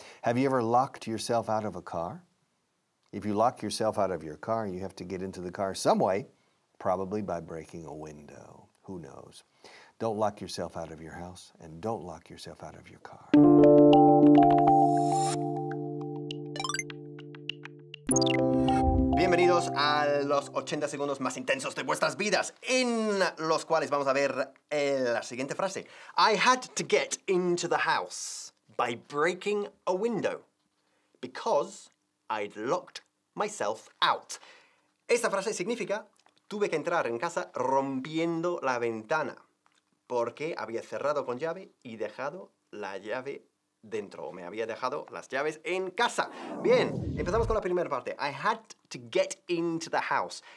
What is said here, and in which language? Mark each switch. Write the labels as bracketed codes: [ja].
[en] Have you ever locked yourself out of a car? If you lock yourself out of your car, you have to get into the car some way, probably by breaking a window. Who knows? Don't lock yourself out of your house and don't lock yourself out of your car. [es] Bienvenidos a los 80 segundos más intensos de vuestras vidas, en los cuales vamos a ver la siguiente frase. [en] I had to get into the house by breaking a window because I'd locked myself out. [es] Esta frase significa, tuve que entrar en casa rompiendo la ventana porque había cerrado con llave y dejado la llave dentro, o me había dejado las llaves en casa. Bien, empezamos con la primera parte. [en] I had to get into the house.